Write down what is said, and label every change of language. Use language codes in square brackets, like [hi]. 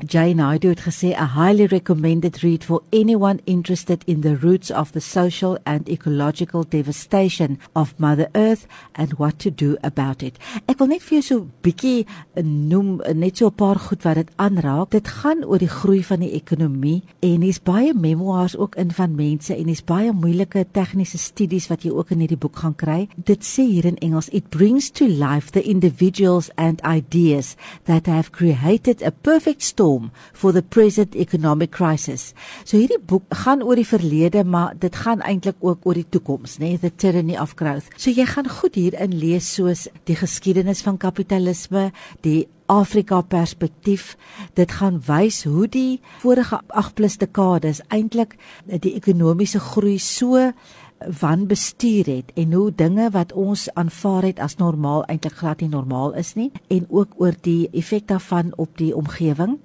[en] Jane Hyde [af] het gesê, [en] a highly recommended read for anyone interested in the roots of the social and ecological devastation of Mother Earth and what to do about it. [af] Ek wil net vir jou so bietjie noem, net so 'n paar goed wat dit aanraak. Dit gaan oor die groei van die ekonomie en hier's baie memoirs ook in van mense en hier's baie moeilike tegniese studies wat jy ook in hierdie boek gaan kry. Dit sê hier in Engels, [en] it brings to life the individuals and ideas that have created a perfect storm for the present economic crisis. [af] So hierdie boek gaan oor die verlede, maar dit gaan eintlik ook oor die toekoms, né? [en] The Tyranny of Growth. [af] So jy gaan goed hierin lees soos die geskiedenis van kapitalisme, die Afrika perspektief, dit gaan wys hoe die vorige 8+ dekades eintlik die ekonomiese groei so wan bestuur het en hoe dinge wat ons aanvaar het as normaal eintlik glad nie normaal is nie en ook oor die effek daarvan op die omgewing.